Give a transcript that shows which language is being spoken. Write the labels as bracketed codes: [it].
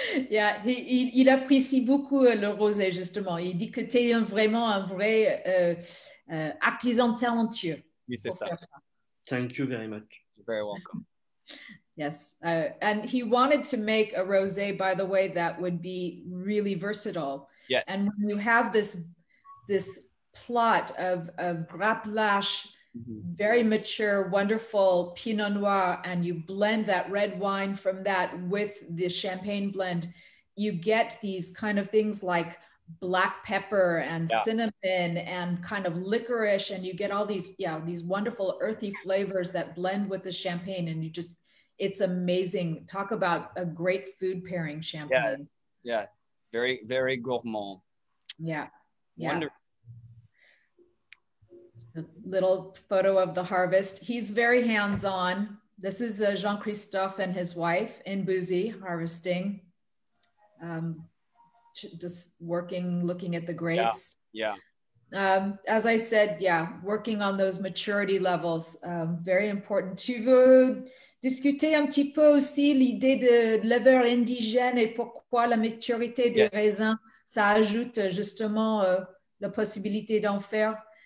[fr] Yeah, il apprécie beaucoup le rosé, justement. Il dit que t'es vraiment un vrai artisan talentueux. Oui, c'est ça. [en] Thank you very much. You're very welcome. Yes, and he wanted to make a rosé, by the way, that would be really versatile. Yes. And when you have this plot of grape lache, mm-hmm. very mature, wonderful Pinot Noir, and you blend that red wine from that with the champagne blend, you get these kind of things like black pepper and yeah. cinnamon and kind of licorice, and you get all these, yeah, these wonderful earthy flavors that blend with the champagne, and you just, it's amazing. Talk about a great food pairing, champagne. Yeah, yeah. Very, very gourmand. Yeah, yeah. Wonderful. A little photo of the harvest. He's very hands-on. This is Jean-Christophe and his wife in Bouzy harvesting. Just working, looking at the grapes. Yeah, yeah. As I said, yeah, working on those maturity levels. Very important. [fr] Tu veux discuter un petit peu aussi l'idée de levure indigène et pourquoi la maturité des yeah. raisins, ça ajoute justement la possibilité d'en faire.